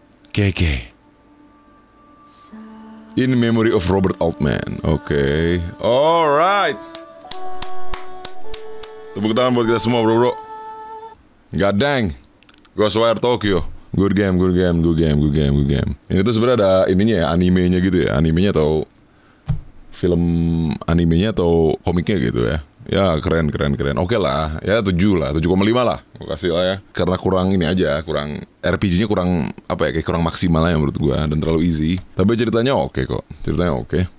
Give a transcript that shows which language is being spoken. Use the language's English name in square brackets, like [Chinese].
[English] Keke. In memory of Robert Altman. Okay. Alright. [Indonesian] Tepuk tangan buat kita semua, bro. [English] God dang. Ghostwire Tokyo. Good game, good game, good game, good game, good game. [Indonesian] Ini tuh sebenarnya ada ininya ya, animenya gitu ya. Animenya atau film animenya atau komiknya gitu ya. Ya, keren, keren, keren. Oke lah. Ya 7 lah, 7,5 lah. Gua kasih lah ya. Karena kurang ini aja, kurang RPG-nya kurang apa ya? Kayak kurang maksimal lah ya menurut gua dan terlalu easy. Tapi ceritanya oke kok. Ceritanya oke.